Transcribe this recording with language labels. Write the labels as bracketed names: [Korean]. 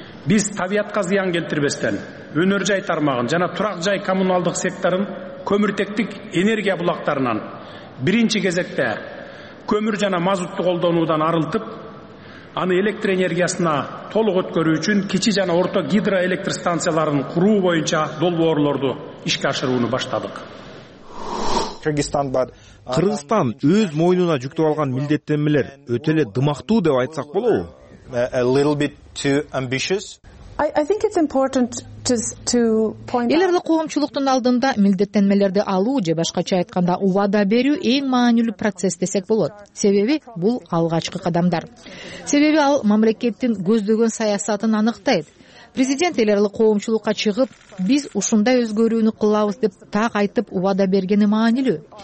[Kyrgyz] Биз табиятка зыян келтирбестен, өнөр жай тармагын жана турак жай коммуналдык секторун көмүртектик энергия булактарынан биринчи кезекте көмүр жана мазутту колдонуудан арылтып, аны электр энергиясына толук өткөрүү үчүн кичи жана орто гидроэлектр станцияларын куруу боюнча долбоорлорду ишке ашырууну баштадык. Кыргызстан өз мойнуна жүктөп алган милдеттенмелер өтө эле дымактуу деп айтсак болобу? [English] A little bit too ambitious. I think it's important to point out. [Kyrgyz] Элерди коомчулуктун алдында милдеттенмелерди алуу же башкача айтканда убада берүү эң маанилүү процесс десек болот. Себеби бул алгачкы кадамдар. Себеби ал мамлекеттин көздөгөн саясатын аныктайт. Президент элерлик коомчулукка чыгып, биз ушундай өзгөрүүнү кылабыз деп так айтып убада бергени маанилүү.